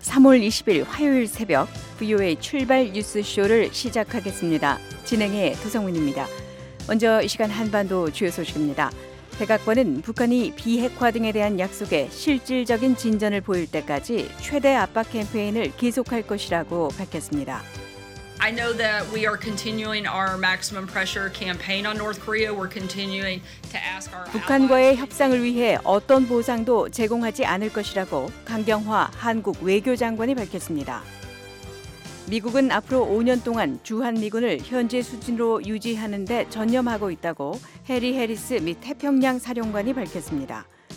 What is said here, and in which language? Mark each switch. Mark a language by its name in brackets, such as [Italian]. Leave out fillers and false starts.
[Korean] 3월 20일 화요일 새벽 VOA 출발 뉴스 쇼를 시작하겠습니다. 진행의 도성훈입니다. 먼저 이 시간 한반도 주요 소식입니다. 백악관은 북한이 비핵화 등에 대한 약속에 실질적인 진전을 보일 때까지 최대 압박 캠페인을 계속할 것이라고 밝혔습니다. [English] I know that we are continuing our maximum pressure campaign on North Korea. We're continuing to ask our [Korean] 북한과의 협상을 위해 어떤 보상도 제공하지 않을 것이라고 강경화 한국 외교장관이 밝혔습니다. 미국은 앞으로 5년 동안 주한미군을 현재 수준으로 유지하는 데 전념하고 있다고 해리 해리스 및 태평양 사령관이 밝혔습니다.